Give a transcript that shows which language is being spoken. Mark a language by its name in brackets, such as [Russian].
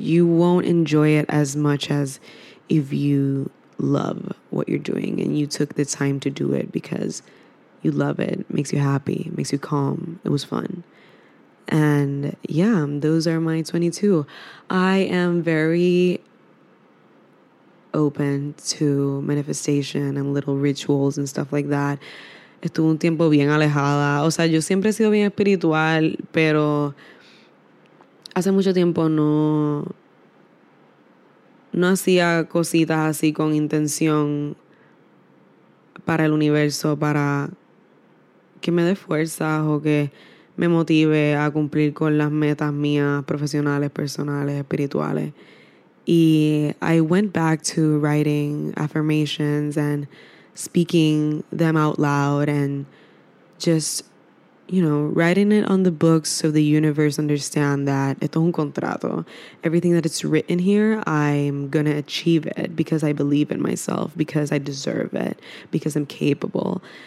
[English] You won't enjoy it as much as if you love what you're doing and you took the time to do it because you love it. It makes you happy, it makes you calm, it was fun. And yeah, those are my 22. I am very open to manifestation and little rituals and stuff like that. [Spanish] Estuve un tiempo bien alejada. O sea, yo siempre he sido bien espiritual, pero hace mucho tiempo no hacía cositas así con intención para el universo, para que me dé fuerzas o que me motive a cumplir con las metas mías profesionales, personales, espirituales. [English] Y I went back to writing affirmations and speaking them out loud and just, you know, writing it on the books so the universe understand that [Spanish] esto es un contrato. [English] Everything that it's written here, I'm gonna achieve it because I believe in myself, because I deserve it, because I'm capable.